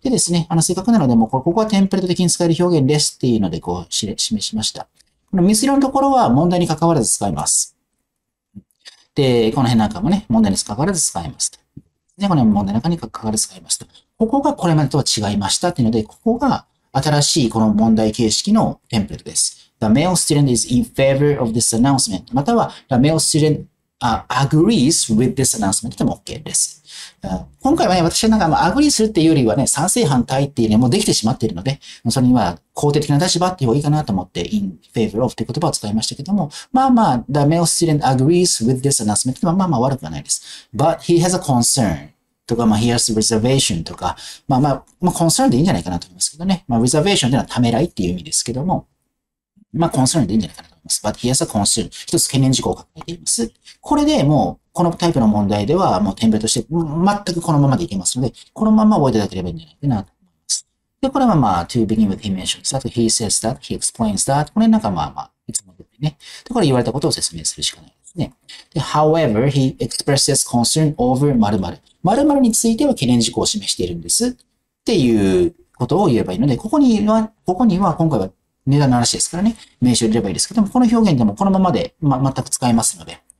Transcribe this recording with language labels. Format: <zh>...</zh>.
<ja>でですね、正確なので、もうここはテンプレート的に使える表現ですっていうので、こう示しました。この水色のところは問題に関わらず使います。で、この辺なんかもね、問題に関わらず使いますと。で、この問題の中に関わらず使いますと。ここがこれまでとは違いましたっていうので、ここが新しいこの問題形式のテンプレートです。</ja> <en>The male student is in favor of this announcement.</en> <ja>または、</ja> <en>the male student、agrees with this announcement</en> <ja>でも OK です。今回はね、私はなんか、まあ、agree するっていうよりはね、賛成反対っていうね、もうできてしまっているので、それには肯定的な立場っていう方がいいかなと思って、in favor of っていう言葉を使いましたけども、まあまあ、</ja> <en>the male student agrees with this announcement</en> <ja>ってのはまあまあ悪くはないです。</ja> <en>but he has a concern</en> <ja>とか、まあ</ja> <en>he has a reservation</en> <ja>とか、まあまあ、まあ concern でいいんじゃないかなと思いますけどね。まあ reservation っていうのはためらいっていう意味ですけども、まあ concern でいいんじゃないかなと思います。</ja> <en>but he has a concern。</en> <ja>一つ懸念事項を抱えています。これでもう、このタイプの問題では、もうテンプレートとして、全くこのままでいけますので、このまま覚えていただければいいんじゃないかなと思います。で、これはまあ、</ja> <en>to begin with, he mentions that, he says that, he explains that.</en> <ja>これなんかまあまあ、いつも言ってね。で、これ言われたことを説明するしかないですね。で、</ja> <en>however, he expresses concern over</en> <ja>〇〇。〇〇については懸念事項を示しているんです。っていうことを言えばいいので、ここには今回は値段の話ですからね、名称入れればいいですけども、この表現でもこのままで、全く使えますので。</ja>